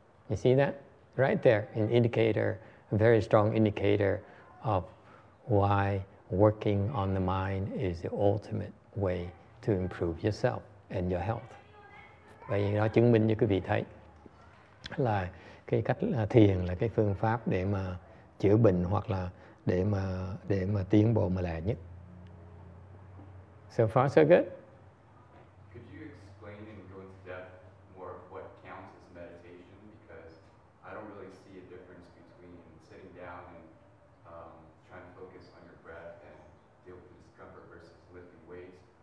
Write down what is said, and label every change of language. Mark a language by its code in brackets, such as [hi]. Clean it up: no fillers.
[en] You see that right there, an indicator, a very strong indicator of why working on the mind is the ultimate way to improve yourself and your health. [vi] Vậy nó chứng minh cho quý vị thấy là cái cách thiền là cái phương pháp để mà chữa bệnh hoặc là để mà tiến bộ mà lẹ nhất. [en] So far, so good. Could you explain and go into depth more of what counts as meditation? Because I don't really see a difference between sitting down and trying to focus on your breath and deal with discomfort versus lifting weights.